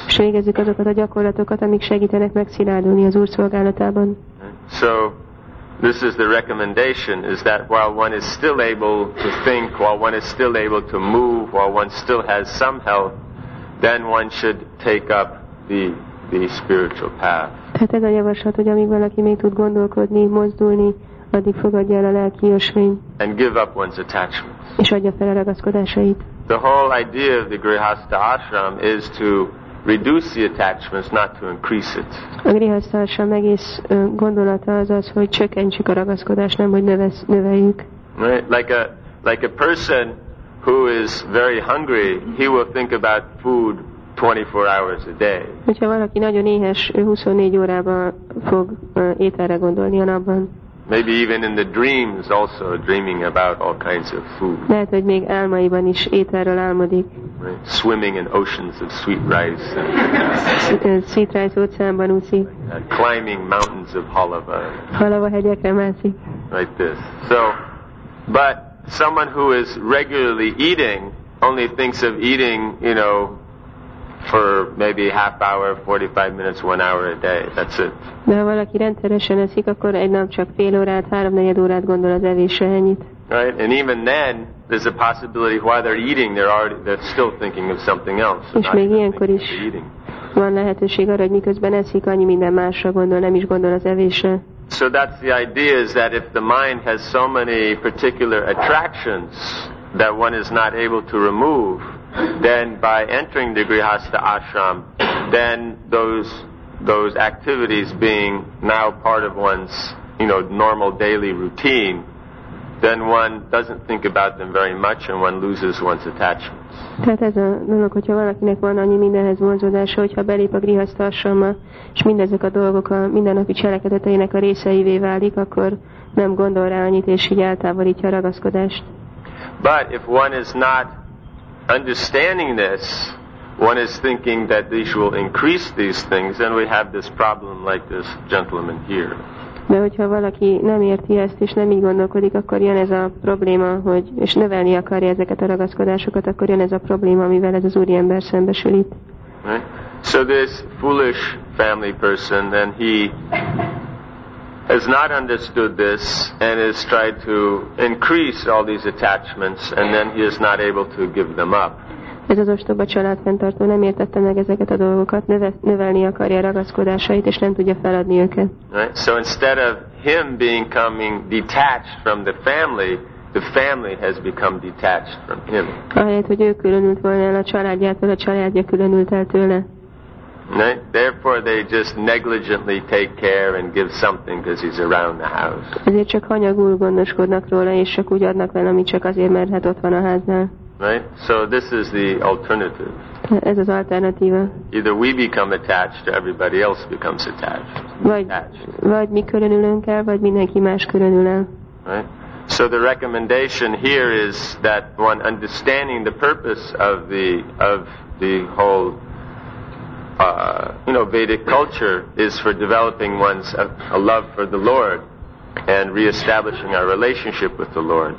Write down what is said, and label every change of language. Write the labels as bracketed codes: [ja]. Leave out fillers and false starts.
[hu] És végezzük azokat a gyakorlatokat, amik segítenek megszilárdulni az Úr szolgálatában. [en] So this is the recommendation, is that while one is still able to think, while one is still able to move, while one still has some health, then one should take up the spiritual path. [hu] Tehát ez a javaslat, hogy amíg valaki még tud gondolkodni, mozdulni, addig fogadja el a lelki ösvényt. [en] And give up one's attachments. [hu] És adja fel a ragaszkodásait. [en] The whole idea of the Grihastha Ashram is to reduce the attachments, not to increase it. [hu] A Grihastha Ashram egész gondolata az, hogy csökkentsük a ragaszkodást, nem hogy növeljük. [en] Right? Like a Like a person who is very hungry, he will think about food 24 hours a day. [hu] Hogyha valaki nagyon éhes, 24 órában fog ételre gondolni a napban. [en] Maybe even in the dreams also dreaming about all kinds of food. [hu] Lehet, hogy még álmaiban is ételről álmodik. [en] Right. Swimming in oceans of sweet rice. [hu] Sweet rice óceánban úszik. [en] Climbing mountains of halava. [hu] Halava hegyekre mászik. [en] Like this. So, but someone who is regularly eating only thinks of eating, you know, for maybe half hour, 45 minutes, 1 hour a day. That's it. [hu] De ha valaki rendszeresen eszik, akkor egy nap csak fél órát, háromnegyed órát gondol az evésre, ennyit. [en] Right, and even then, there's a possibility while they're eating, they're still thinking of something else. [hu] És még ilyenkor is van lehetőség arra, hogy miközben eszik, annyi minden másra gondol, nem is gondol az evésre. [en] So that's the idea, is that if the mind has so many particular attractions that one is not able to remove, then by entering the Grihastha ashram, then those activities being now part of one's, you know, normal daily routine, then one doesn't think about them very much and one loses one's attachments. [hu] Tehát ez a dolog, hogyha valakinek van annyi mindenhez vonzódása, hogyha belép a Grihastha ashramba, és mindezek a dolgok a mindennapi cselekedeteinek a részeivé válik, akkor nem gondol rá annyit, és így eltávolítja a ragaszkodást. [en] But if one is not understanding this, one is thinking that this will increase these things, then we have this problem like this gentleman here. [hu] De hogyha valaki nem érti ezt, és nem így gondolkodik, akkor jön ez a probléma, hogy és növelni akarja ezeket a ragaszkodásokat, akkor jön ez a probléma, amivel ez az úriember szembesül itt. [en] Right? So this foolish family person, then he has not understood this and has tried to increase all these attachments, and then he is not able to give them up. [hu] Ez az ostoba családfenntartó nem értette meg ezeket a dolgokat, növelni akarja ragaszkodásait, és nem tudja feladni őket. [en] Right? So instead of him becoming detached from the family has become detached from him. [hu] Ahelyett, hogy ő különült volna el a családjától, a családja különült el tőle. [en] Right? Therefore they just negligently take care and give something because he's around the house. [hu] Ezért csak hanyagul gondoskodnak róla, és csak úgy adnak vele, amit csak azért, mert hát ott van a háznál. [en] Right? So this is the alternative. [hu] Ez az alternatíva. [en] Either we become attached or everybody else becomes attached. [hu] Vagy mi különülünk el, vagy mindenki más különül el. [en] Right? So the recommendation here is that one understanding the purpose of the whole Vedic culture is for developing one's a love for the Lord and reestablishing our relationship with the Lord.